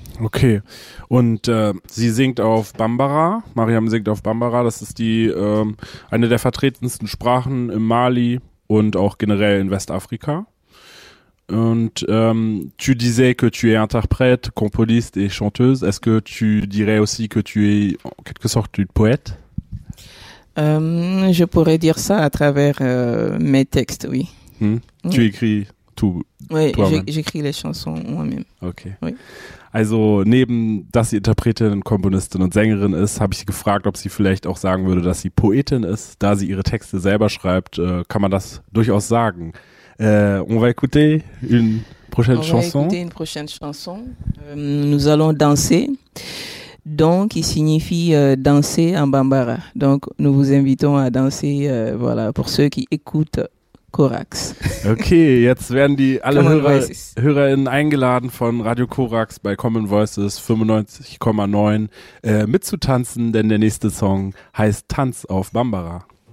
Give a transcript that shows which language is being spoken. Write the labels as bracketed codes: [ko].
[de] Okay, und sie singt auf Bambara, Mariam singt auf Bambara, das ist die eine der vertretensten Sprachen im Mali und auch generell in Westafrika. [fr] Und tu disais que tu es interprète, componiste et chanteuse. Est-ce que tu dirais aussi que tu es en quelque sorte une poète? Je pourrais dire ça à travers mes textes, oui. Mmh. Mmh. Tu écris tout, oui, toi-même? Oui, j'écris les chansons moi-même. Ok. Oui. [de] Also neben, dass sie Interpretin, Komponistin und Sängerin ist, habe ich sie gefragt, ob sie vielleicht auch sagen würde, dass sie Poetin ist. Da sie ihre Texte selber schreibt, kann man das durchaus sagen. [fr] On va écouter une prochaine chanson. On va écouter une prochaine chanson. Nous allons danser. Donc, qui signifie danser en Bambara. Donc, nous vous invitons à danser, voilà, pour ceux qui écoutent Korax. [de] Okay, jetzt werden die alle HörerInnen eingeladen von Radio Korax bei Common Voices 95,9 mitzutanzen, denn der nächste Song heißt Tanz auf Bambara.